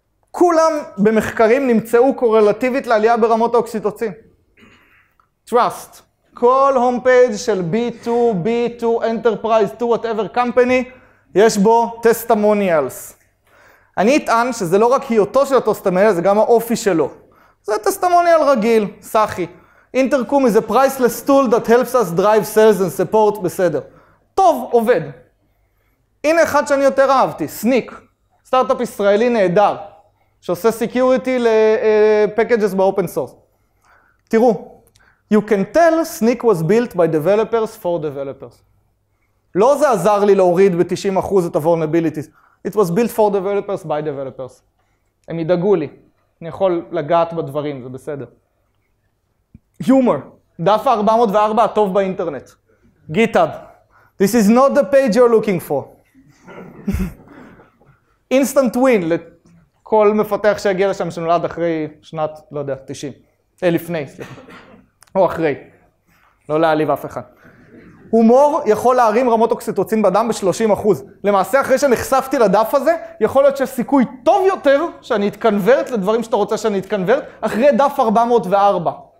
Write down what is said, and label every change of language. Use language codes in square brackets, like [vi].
[he] כולם במחקרים נמצאו קורלטיבית לעלייה ברמות האוקסיטוצין. Trust. כל הום פייג' של B2 Enterprise 2 whatever company, יש בו testimonials. אני אטען שזה לא רק היותו של הטסטמוניאל, זה גם האופי שלו. זה טסטמוניאל רגיל, סחי. [en] Intercom is a priceless tool that helps us drive sales and support, בסדר. [he] טוב, עובד. הנה אחד שאני יותר אהבתי, סניק. סטארט-אפ ישראלי נהדר, שעושה security ל-packages ב-open source. [en] תראו, you can tell סניק was built by developers for developers. [he] לא זה עזר לי להוריד ב-90% את ה-vulnerabilities. [en] It was built for developers by developers. [he] הם ידאגו לי. אני יכול לגעת בדברים, זה בסדר. Humor. דף ה-404 הטוב באינטרנט. GitHub. [en] This is not the page you're looking for. [he] Instant win לכל מפתח שיגיע לשם שנולד אחרי שנת, לא יודע, 90. לפני, סליחה. או אחרי. לא להעליב אף אחד. הומור יכול להרים רמות אוקסיטוצין בדם ב-30%. למעשה, אחרי שנחשפתי לדף הזה, יכול להיות שיש סיכוי טוב יותר שאני אתקנברט לדברים שאתה רוצה שאני אתקנברט, אחרי דף 404.